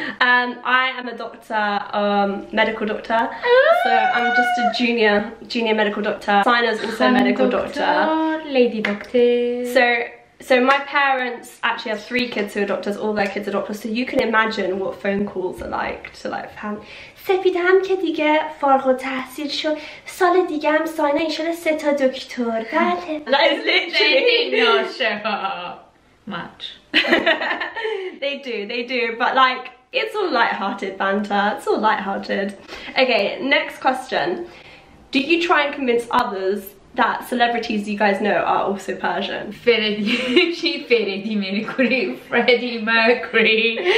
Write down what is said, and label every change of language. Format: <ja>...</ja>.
<en>I am a doctor, medical doctor. So I'm just a junior medical doctor. Sina's also a medical doctor. Lady doctor. So my parents actually have 3 kids who are doctors, all their kids are doctors, so you can imagine what phone calls are like to like family.</en> <fa>سپیدم که دیگه فارغ التحصیل شد سال دیگه هم ساینا ان شاء الله سه تا دکتر بله.</fa> <en>That is literally not sure much. they do, but like it's all light-hearted banter, it's all light-hearted. Okay, next question. Do you try and convince others that celebrities you guys know are also Persian? Freddie Mercury. Freddie Mercury.</en>